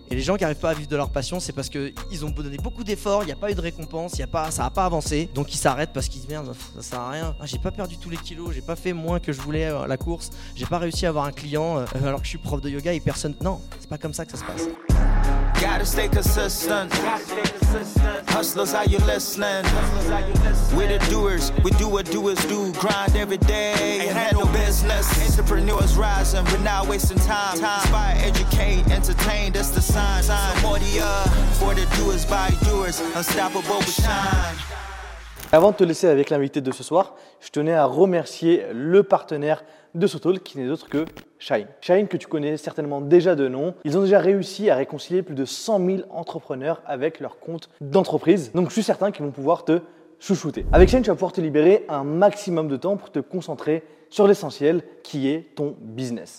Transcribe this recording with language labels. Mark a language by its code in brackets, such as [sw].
[fr] Et les gens qui arrivent pas à vivre de leur passion, c'est parce qu'ils ont donné beaucoup d'efforts, il n'y a pas eu de récompense, y a pas, ça a pas avancé. Donc, ils s'arrêtent parce qu'ils disent merde, ça sert à rien. Ah, j'ai pas perdu tous les kilos, j'ai pas fait moins que je voulais la course, j'ai pas réussi à avoir un client alors que je suis prof de yoga et personne. Non, c'est pas comme ça que ça se passe. [en] Gotta stay consistent. Hustlers, are you listening? We're the doers, we do what doers do. Grind every day and handle business. Entrepreneurs rising, we're not wasting time. Inspire, educate, entertain, that's the sign. Samordia, for the doers, by doers. Unstoppable, we shine. [fr] Avant de te laisser avec l'invité de ce soir, je tenais à remercier le partenaire de Sotol qui n'est autre que Shine. Shine que tu connais certainement déjà de nom. Ils ont déjà réussi à réconcilier plus de 100 000 entrepreneurs avec leur compte d'entreprise. Donc je suis certain qu'ils vont pouvoir te chouchouter. Avec Shine, tu vas pouvoir te libérer un maximum de temps pour te concentrer sur l'essentiel qui est ton business.